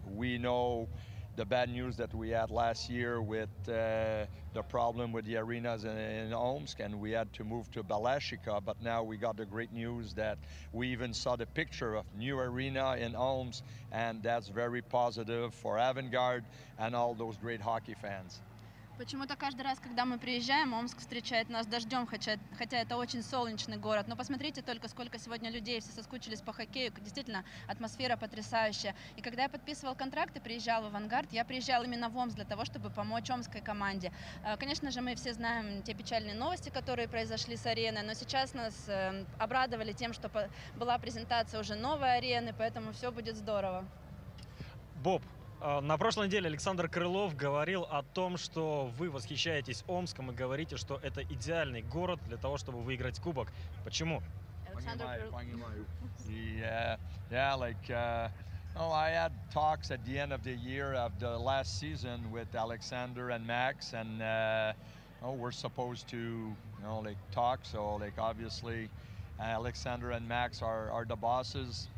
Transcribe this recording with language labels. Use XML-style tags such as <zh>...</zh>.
<en>We know the bad news that we had last year with the problem with the arenas in Omsk, and we had to move to Balashika, but now we got the great news that we even saw the picture of new arena in Omsk, and that's very positive for Avangard and all those great hockey fans.</en> <ru>Почему-то каждый раз, когда мы приезжаем, Омск встречает нас дождем, хотя это очень солнечный город. Но посмотрите только, сколько сегодня людей, все соскучились по хоккею. Действительно, атмосфера потрясающая. И когда я подписывал контракт и приезжал в «Авангард», я приезжал именно в Омск для того, чтобы помочь омской команде. Конечно же, мы все знаем те печальные новости, которые произошли с ареной, но сейчас нас обрадовали тем, что была презентация уже новой арены, поэтому все будет здорово. Боб. На прошлой неделе Александр Крылов говорил о том, что вы восхищаетесь Омском и говорите, что это идеальный город для того, чтобы выиграть кубок. Почему?</ru> <en>Yeah, like, no, I had talks at the end of the year of the last season with Alexander and Max, and we're supposed to, like talk. So, like, obviously, Alexander and Max are the bosses.</en>